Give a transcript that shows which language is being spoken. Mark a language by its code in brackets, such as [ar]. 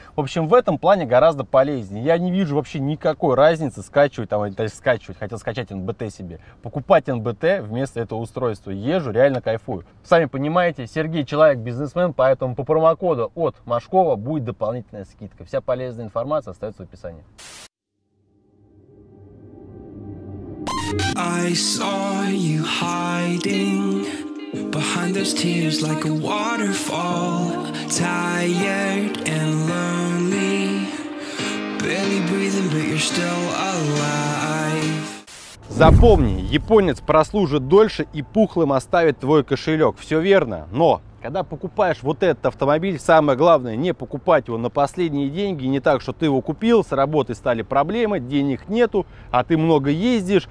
[ru] В общем, в этом плане гораздо полезнее. Я не вижу вообще никакой разницы скачивать там, или скачивать, хотел скачать НБТ себе, покупать НБТ вместо этого устройства. Езжу, реально кайфую. Сами понимаете, Сергей человек бизнесмен, поэтому по промокоду от Машкова будет дополнительная скидка. Вся полезная информация остается в описании. [en] I saw you hiding behind those tears like a waterfall, tired and lonely, barely breathing, but you're still alive. [ru] Запомни, японец прослужит дольше и пухлым оставит твой кошелек. Все верно, но когда покупаешь вот этот автомобиль, самое главное не покупать его на последние деньги, не так, что ты его купил, с работы стали проблемы, денег нету, а ты много ездишь.